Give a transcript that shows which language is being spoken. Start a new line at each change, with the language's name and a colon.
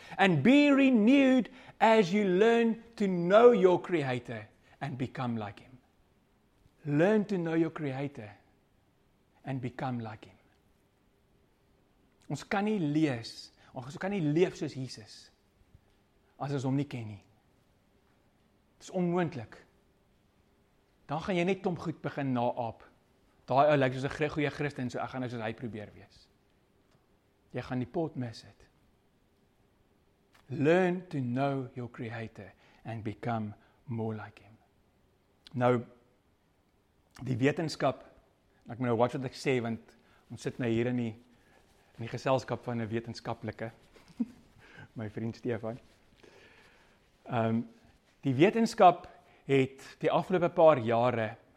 English: And be renewed as you learn to know your creator and become like him. Learn to know your creator and become like him.
Afrikaans: Ons kan nie leef soos Jesus as ons hom nie ken nie. Dit is onmoontlik. Dan gaan jy net hom goed begin naap. Daai ou lyk soos 'n goeie Christen, so ek gaan soos hy probeer wees. Jy gaan die pot mis het.
English: Learn to know your creator and become more like him.
Afrikaans: Nou die wetenskap, ek moet nou watch wat ek sê want ons sit nou hier in die geselskap van 'n wetenskaplike. My vriend Stefan. Die wetenskap het die afgelope paar jare